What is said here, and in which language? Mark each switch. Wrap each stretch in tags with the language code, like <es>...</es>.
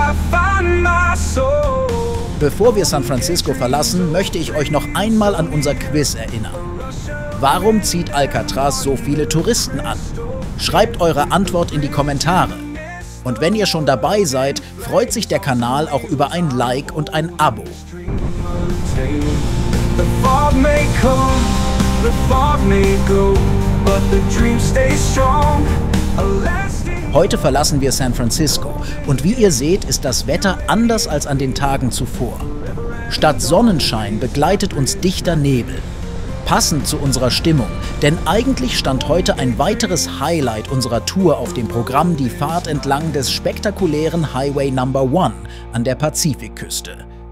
<de>Bevor wir San Francisco verlassen, möchte ich euch noch einmal an unser Quiz erinnern. Warum zieht Alcatraz so viele Touristen an? Schreibt eure Antwort in die Kommentare. Und wenn ihr schon dabei seid, freut sich der Kanal auch über ein Like und ein Abo.</de> <en>The fog may go, but the dream stays strong. A lasting...</en> <de>Heute verlassen wir San Francisco und wie ihr seht, ist das Wetter anders als an den Tagen zuvor. Statt Sonnenschein begleitet uns dichter Nebel. Passend zu unserer Stimmung, denn eigentlich stand heute ein weiteres Highlight unserer Tour auf dem Programm, die Fahrt entlang des spektakulären Highway Number 1 an der Pazifikküste.</de>